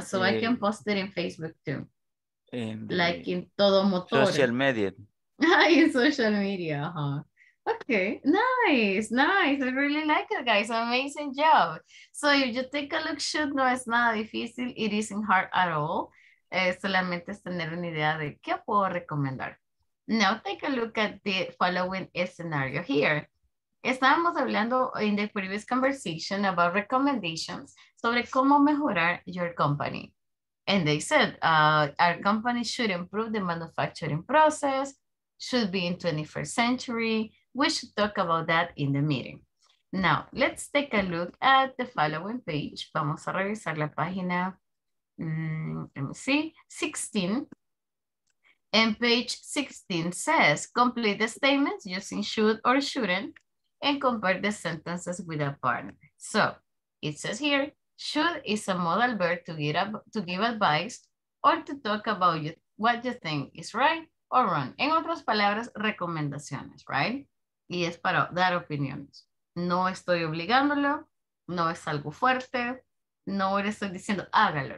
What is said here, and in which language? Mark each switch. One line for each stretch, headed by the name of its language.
English: So I can post it in Facebook too. Like in todo motor. Social media. In social media, huh? Okay, nice, nice. I really like it, guys. Amazing job. So if you take a look, shoot, no, it's not difficult. It isn't hard at all.
Spanish: Solamente es tener una idea de qué puedo recomendar.
English: Now take a look at the following scenario here.
Spanish: Estábamos hablando
English: in the previous conversation about recommendations
Spanish: sobre cómo mejorar
English: your company. And they said, our company should improve the manufacturing process, should be in 21st century. We should talk about that in the meeting. Now, let's take a look at the following page.
Spanish: Vamos a revisar la página,
English: let me see,
Spanish: 16.
English: And page 16 says, complete the statements using should or shouldn't and compare the sentences with a partner. So it says here, should is a modal verb to give advice or to talk about what you think is right or wrong.
Spanish: En otras palabras, recomendaciones, right? Y es para dar opiniones. No estoy obligándolo, no es algo fuerte, no le estoy diciendo hágalo.